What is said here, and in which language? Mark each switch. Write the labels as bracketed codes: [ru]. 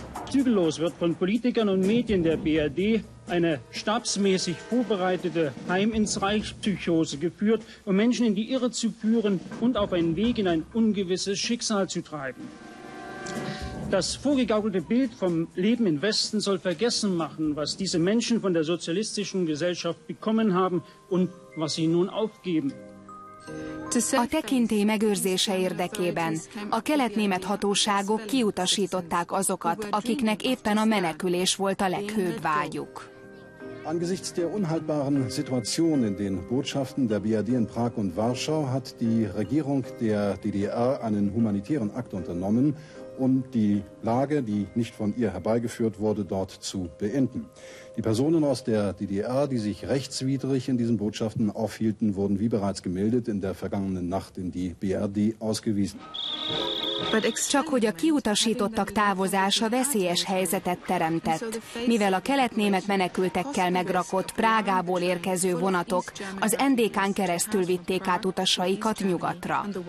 [de] Zügellos wird von Politikern und Medien der BRD eine stabsmäßig vorbereitete Heim ins Reich-Psychose geführt, um Menschen in die Irre zu führen und auf einen Weg in ein ungewisses Schicksal zu treiben. Das vorgegaukelte Bild vom Leben im Westen soll vergessen machen, was diese Menschen von der sozialistischen Gesellschaft bekommen haben und was sie nun aufgeben. [hu] A tekintély megőrzése érdekében a kelet-német hatóságok kiutasították azokat, akiknek éppen a menekülés volt a leghőbb vágyuk. [de] Angesichts der unhaltbaren Situation in den Botschaften der BRD in Prag und Warschau hat die Regierung der DDR einen humanitären Akt unternommen, um die Lage, die nicht von ihr herbeigeführt wurde, dort zu beenden. Die Personen aus der DDR, die sich rechtswidrig in diesen Botschaften aufhielten, wurden wie bereits gemeldet in der vergangenen Nacht in die BRD ausgewiesen. [hu] Csak hogy a kiutasítottak távozása veszélyes helyzetet teremtett, mivel a kelet-német menekültekkel megrakott Prágából érkező vonatok az NDK-n keresztül vitték át utasaikat nyugatra.